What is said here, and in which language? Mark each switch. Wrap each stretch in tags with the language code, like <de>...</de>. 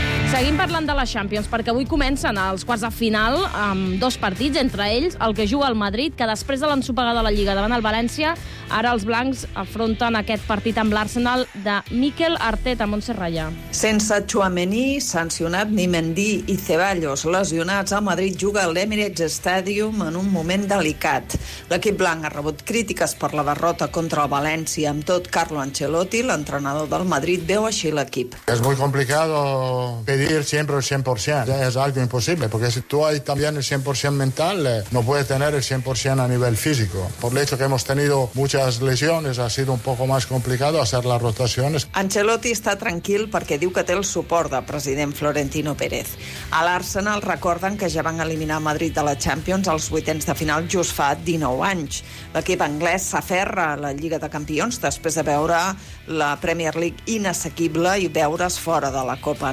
<ca>Seguim parlant de la Champions, perquè avui comencen els quarts de final amb dos partits, entre ells el que juga el Madrid, que després de l'ensopegar de la Lliga davant el València, ara els blancs afronten aquest partit amb l'Arsenal de Mikel Arteta, Montserrat. Sense Tchouaméni, sancionat, ni Mendy i Ceballos lesionats, el Madrid juga a l'Emirates Stadium en un moment delicat. L'equip blanc ha rebut crítiques per la derrota contra el València. Amb tot, Carlo Ancelotti, l'entrenador del Madrid, veu així l'equip. És molt complicat</ca> <es>pedir siempre el 100%, es algo imposible, porque si tú hay también el 100% mental, no puedes tener el 100% a nivel físico. Por el hecho que hemos tenido muchas lesiones, ha sido un poco más complicado hacer las rotaciones.</es> <ca>Ancelotti está tranquil perquè diu que té el suport del president Florentino Pérez. A l'Arsenal recorden que ja van eliminar Madrid de la Champions als vuitens de final just fa 19 anys. L'equip anglès s'aferra a la Lliga de Campions després de veure la Premier League inassequible i veure's fora de la Copa.</ca>